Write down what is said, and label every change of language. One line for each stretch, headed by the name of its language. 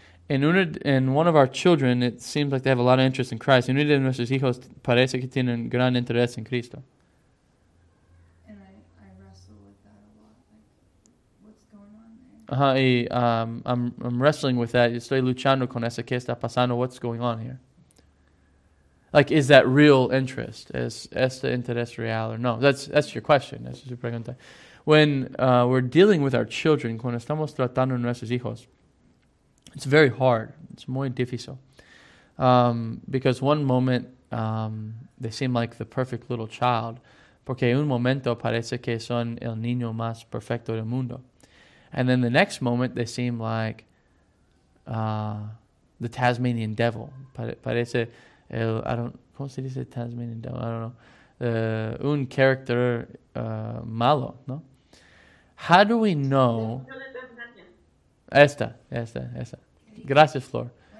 English: In one of our children, it seems like they have a lot of interest in Christ.
Spanish: En uno de nuestros hijos parece que tienen gran interés en Cristo.
English: And I wrestle with that a lot. Like, what's going on there? I'm wrestling with that.
Spanish: Estoy luchando con eso. ¿Qué está pasando?
English: What's going on here? Like, is that real interest?
Spanish: ¿Es este interés real
English: or no? That's your question.
Spanish: Esa es tu pregunta.
English: When we're dealing with our children,
Spanish: cuando estamos tratando nuestros hijos,
English: it's very hard. It's
Spanish: muy difícil.
English: Because one moment, they seem like the perfect little child.
Spanish: Porque un momento parece que son el niño más perfecto del mundo.
English: And then the next moment, they seem like the Tasmanian devil.
Spanish: Parece el,
English: I don't,
Spanish: ¿cómo se dice Tasmanian devil?
English: I don't know.
Spanish: Un character malo, ¿no?
English: How do we know?
Spanish: Esta. Gracias,
English: Flor.